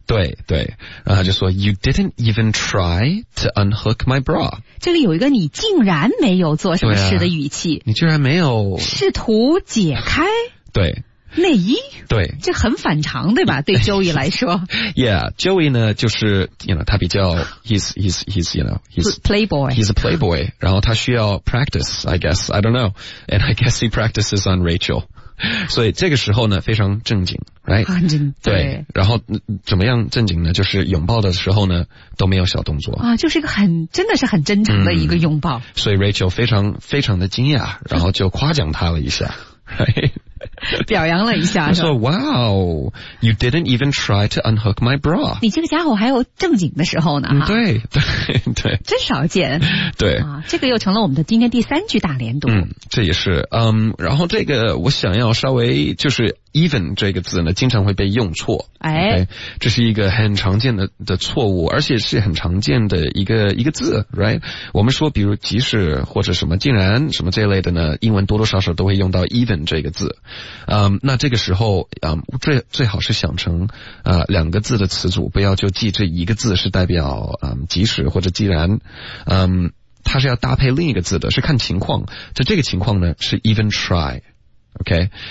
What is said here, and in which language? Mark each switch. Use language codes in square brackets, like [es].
[zh] 对对然后就说 [en] you didn't even try to unhook my bra [zh] 这里有一个你竟然没有做什么事的语气、你居然没有试图解开对内衣对这很反常对吧对 Joey 来说 [en] yeah Joey [zh] 呢就是 [en] you know [zh] 他比较 [en] he's you know he's playboy he's a playboy [zh] 然后他需要 [en] practice I guess I don't know and I guess he practices on Rachel [zh] 所以这个时候呢非常正经 [en] right [zh] 很正经 对, 对然后怎么样正经呢就是拥抱的时候呢都没有小动作啊，就是一个很真的是很真诚的一个拥抱所以 Rachel 非常非常的惊讶然后就夸奖他了一下表扬了一下他说 [en] Wow You didn't even try to unhook my bra [zh] 你这个家伙还有正经的时候呢对对对真少见对这个又成了我们的今天第三句大连读这也是然后这个我想要稍微就是 even 这个字呢经常会被用错哎、这是一个很常见的错误而且是很常见的一个字 right 我们说比如即使或者什么竟然什么这类的呢英文多多少少都会用到 even 这个字那这个时候最好是想成两个字的词组不要就记这一个字是代表即使或者既然它是要搭配另一个字的是看情况就这个情况呢是 even try OK